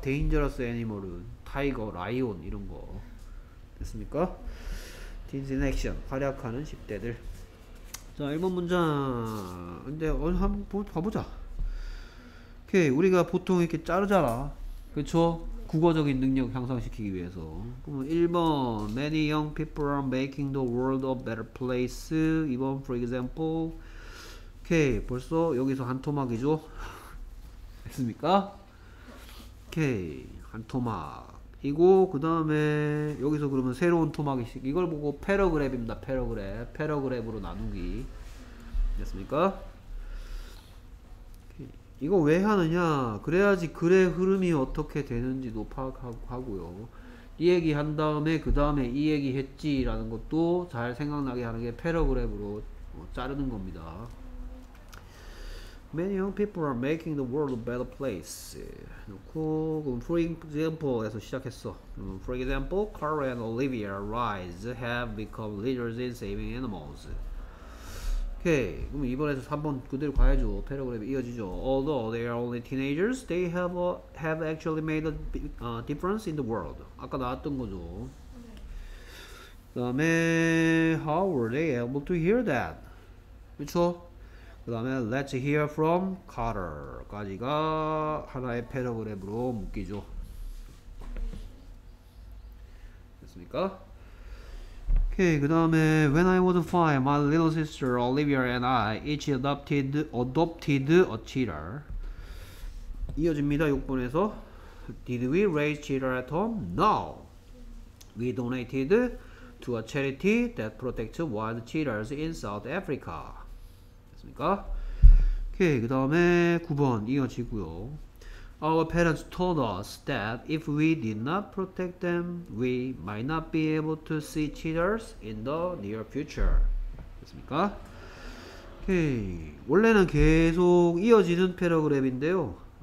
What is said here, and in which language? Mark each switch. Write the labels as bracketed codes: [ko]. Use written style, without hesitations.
[en] Dangerous animal [ko] 은 tiger, lion 이런 거. 됐습니까? [en] Teens in action, [ko] 활약하는 10대들. 자, 1번 문장. 근데 한번 봐보자. 오케이, 우리가 보통 이렇게 자르잖아. 그쵸? 국어적인 능력 향상시키기 위해서. 그러면 1번, [en] Many young people are making the world a better place. 2번, for example. [ko] 오케이, 벌써 여기서 한 토막이죠? 됐습니까? 오케이, 한 토막이고, 그 다음에 여기서 그러면 새로운 토막이, 이걸 보고 패러그랩입니다, 패러그랩. 패러그랩으로 나누기. 됐습니까? 이거 왜 하느냐? 그래야지 글의 흐름이 어떻게 되는지도 파악하고요. 이 얘기 한 다음에 그 다음에 이 얘기 했지라는 것도 잘 생각나게 하는 게 패러그랩으로 자르는 겁니다. [en] Many young people are making the world a better place. [ko] 놓고 그럼 for example에서 시작했어. [en] For example, Carl and Olivia Rice have become leaders in saving animals. [ko] 오케이, 그럼 이번에서 3번 그대로 가야죠. 패러그랩이 이어지죠. [en] Although they are only teenagers, they have actually made a difference in the world. [ko] 아까 나왔던 거죠. 그 다음에 [en] How were they able to hear that? [ko] 그쵸? 그 다음에 [en] Let's hear from Carter [ko] 까지가 하나의 패러그랩으로 묶이죠. 됐습니까? [en] Okay, [ko] 그 다음에 [en] When I was five, my little sister Olivia and I each adopted a cheetah. [ko] 이어집니다, 6번에서. [en] Did we raise cheetah at home? No. We donated to a charity that protects wild cheetahs in South Africa. [ko] 됐습니까? Okay, 그 다음에 9번 이어지고요. [en] Our parents told us that if we did not protect them, we might not be able to see cheetahs in the near future. [ko] 됐습니까? 오케이. 원래는 계속 이어지는 패러그랩인데요.